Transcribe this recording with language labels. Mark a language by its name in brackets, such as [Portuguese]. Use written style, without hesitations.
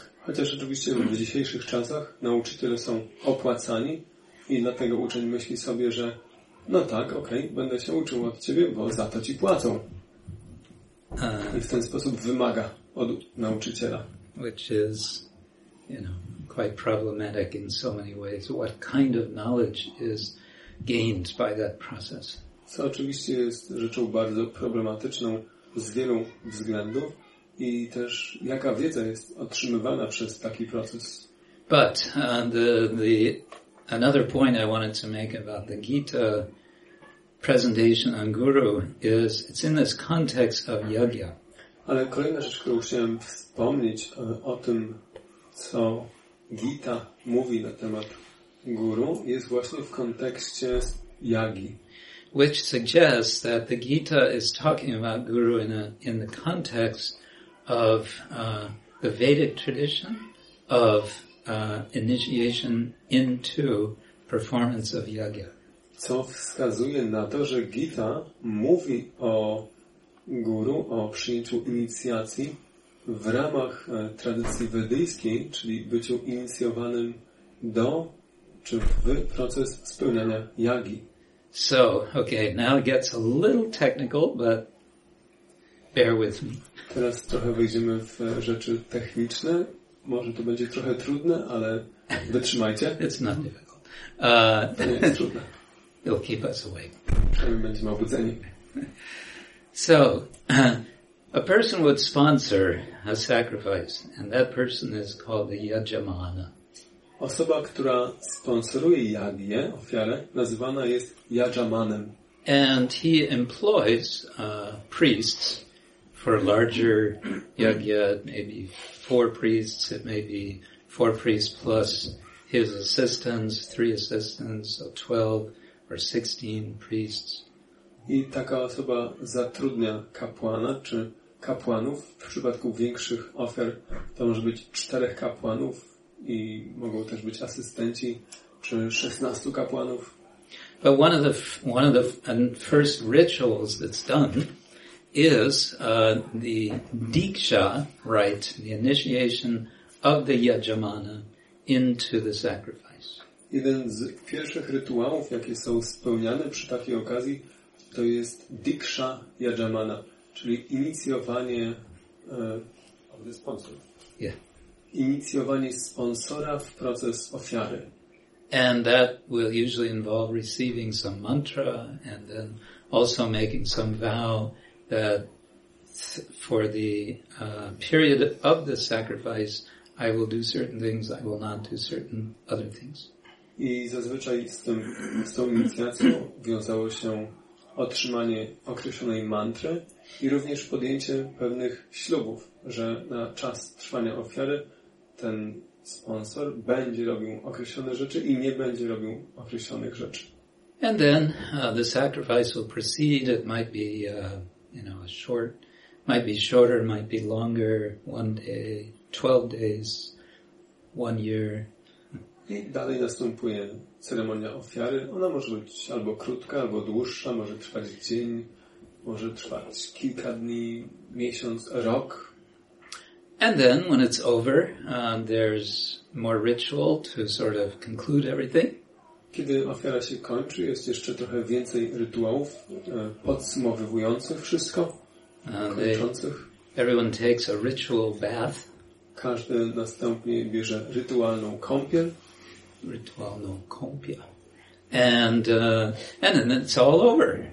[Polish] Chociaż oczywiście w dzisiejszych czasach nauczyciele są opłacani i dlatego uczeń myśli sobie, że no tak, okej, będę się uczył od ciebie, bo za to ci płacą. I w ten sposób wymaga od nauczyciela. [English] Which is, you know, quite problematic in so many ways. What kind of knowledge is gained by that process? [Polish] Co oczywiście jest rzeczą bardzo problematyczną z wielu względów i też jaka wiedza jest otrzymywana przez taki proces. [English] But the another point I wanted to make about the Gita presentation on Guru is it's in this context of yagya. [Polish] Ale kolejna rzecz, którą chciałem wspomnieć o tym, co Gita mówi na temat guru, jest właśnie w kontekście jagi. [English] Which suggests that the Gita is talking about guru in the context of the Vedic tradition of initiation into performance of yagya. [Polish] Co wskazuje na to, że Gita mówi o guru, o przyjęciu inicjacji w ramach tradycji wedyjskiej, czyli byciu inicjowanym do czy w proces spełniania jagi. [English] So, okay, now it gets a little technical, but bear with me. [Polish] Teraz trochę wejdziemy w rzeczy techniczne. Może to będzie trochę trudne, ale wytrzymajcie. [English] It's not difficult. [Polish] To nie jest trudne. [English] It'll keep us away. [Polish] My będziemy obudzeni. [English] So, a person would sponsor a sacrifice, and that person is called the yajamana. [Polish] Osoba, która sponsoruje jagię, ofiarę, nazywana jest yajamanem. [English] And he employs priests for larger yagya, maybe four priests, it may be four priests plus his assistants, three assistants, so 12 or 16 priests. [Polish] I taka osoba zatrudnia kapłana czy kapłanów. W przypadku większych ofiar to może być 4 kapłanów i mogą też być asystenci czy 16 kapłanów. [English] But one of the first rituals that's done is the diksha rite, the initiation of the yajamana into the sacrifice. [Polish] Jeden z pierwszych rytuałów, jakie są spełniane przy takiej okazji, to jest diksha yajamana, czyli inicjowanie sponsora. [English] Yeah. [Polish] Inicjowanie sponsora w proces ofiary. [English] And that will usually involve receiving some mantra and then also making some vow that for the period of the sacrifice I will do certain things, I will not do certain other things. [Polish] I zazwyczaj z tą inicjacją wiązało się otrzymanie określonej mantry i również podjęcie pewnych ślubów, że na czas trwania ofiary ten sponsor będzie robił określone rzeczy i nie będzie robił określonych rzeczy. [English] And then the sacrifice will proceed. It might be shorter, might be longer, 1 day, 12 days, 1 year. [Polish] I dalej następuje ceremonia ofiary. Ona może być albo krótka, albo dłuższa, może trwać dzień, może trwać kilka dni, miesiąc, rok. [English] And then when it's over, there's more ritual to sort of conclude everything. [Polish] Kiedy ofiara się kończy, jest jeszcze trochę więcej rytuałów podsumowujących wszystko, kończących. [English] Everyone takes a ritual bath. [Polish] Każdy następnie bierze rytualną kąpiel. Rytualną kąpiel. [English] And then it's all over.